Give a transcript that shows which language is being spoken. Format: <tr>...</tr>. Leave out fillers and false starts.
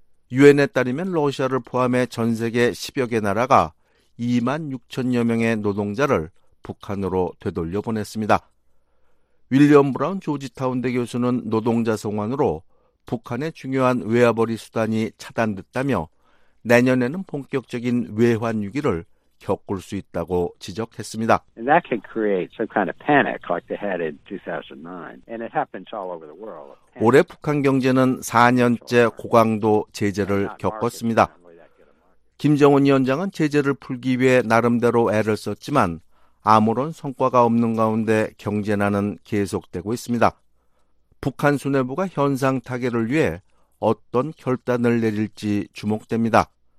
<ko>유엔에 따르면 러시아를 포함해 전 세계 10여 개 나라가 2만 6천여 명의 노동자를 북한으로 되돌려 보냈습니다. 윌리엄 브라운 조지타운대 교수는 노동자 송환으로 북한의 중요한 외화벌이 수단이 차단됐다며 내년에는 본격적인 외환 위기를 겪을 수 있다고 지적했습니다.</ko> <en>And that can create some kind of panic like they had in 2009. And it happens all over the world.</en> <ko>올해 북한 경제는 4년째 고강도 제재를 겪었습니다. 김정은 위원장은 제재를 풀기 위해 나름대로 애를 썼지만 아무런 성과가 없는 가운데 경제난은 계속되고 있습니다. 북한 수뇌부가 현상 타개를 위해 어떤 결단을 내릴지 주목됩니다.</ko>